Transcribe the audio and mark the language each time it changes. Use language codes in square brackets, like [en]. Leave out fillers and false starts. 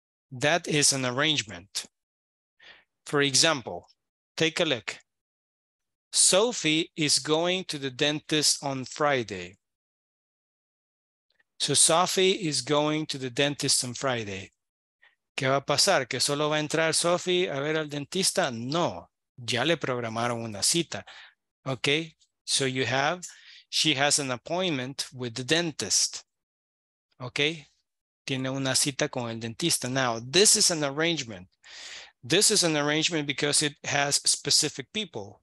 [en] That is an arrangement. For example, take a look. Sophie is going to the dentist on Friday. So Sophie is going to the dentist on Friday. [es] ¿Qué va a pasar? ¿Que solo va a entrar Sophie a ver al dentista? No, ya le programaron una cita. [en] Okay, so you have, she has an appointment with the dentist. [es] Okay, tiene una cita con el dentista. [en] Now, this is an arrangement. This is an arrangement because it has specific people.